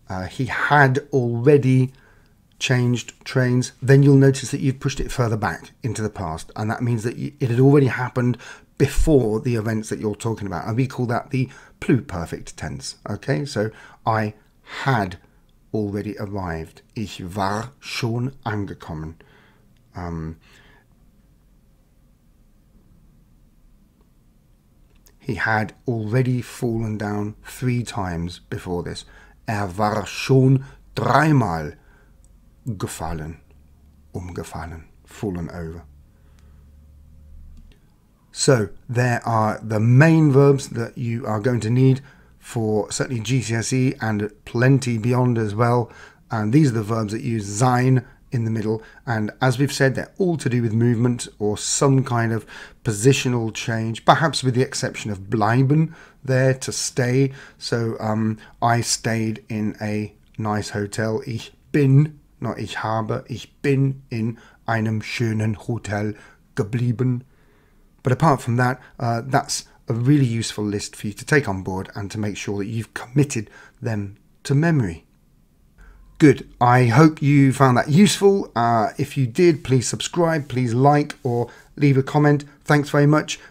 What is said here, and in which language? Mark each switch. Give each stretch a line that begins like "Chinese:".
English: he had already changed trains, then you'll notice that you've pushed it further back into the past, and that means that it had already happened before the events that you're talking about, and we call that the pluperfect tense. Okay, so I had already arrived.
German: Ich war schon angekommen.
English: He had already fallen down three times before this.
German: War schon dreimal gefallen, umgefallen,
English: fallen over. So there are the main verbs that you are going to need for certainly GCSE and plenty beyond as well. And these are the verbs that use sein in the middle. And as we've said, they're all to do with movement or some kind of positional change, perhaps with the exception of bleiben there, to stay. So I stayed in a nice hotel.
German: Ich bin, not ich habe, ich bin in einem schönen Hotel geblieben.
English: But apart from that, that's a really useful list for you to take on board and to make sure that you've committed them to memory. Good. I hope you found that useful. If you did, please subscribe, please like or leave a comment. Thanks very much.